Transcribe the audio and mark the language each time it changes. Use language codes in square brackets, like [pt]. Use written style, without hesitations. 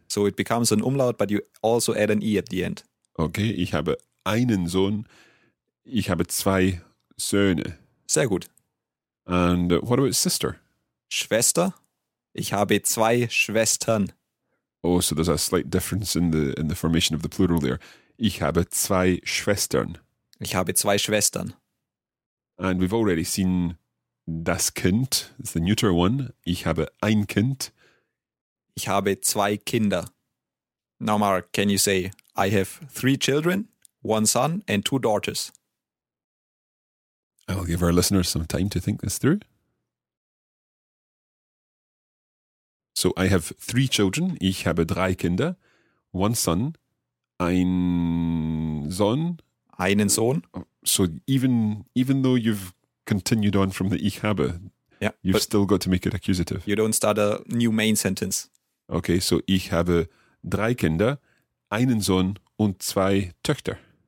[en] So it becomes an umlaut, but you also add an E at the end. [de] Okay, ich habe einen Sohn, ich habe zwei Söhne. Sehr gut. [en] And what about sister? [de] Schwester, ich habe zwei Schwestern. [en] Oh, so there's a slight difference in the formation of the plural there. [de] Ich habe zwei Schwestern. Ich habe zwei Schwestern. [en] And we've already seen das Kind, it's the neuter one. [de] Ich habe ein Kind. Ich habe zwei Kinder. [en] Now, Mark, can you say... I have three children, one son and two daughters. I will give our listeners some time to think this through. So I have three children. [de] Ich habe drei Kinder, [en] one son, [de] ein Sohn. Einen Sohn. [en] So even though you've continued on from the [de] ich habe, [en] yeah, you've still got to make it accusative. You don't start a new main sentence. [de] Okay, so ich habe drei Kinder, einen Sohn und zwei Töchter.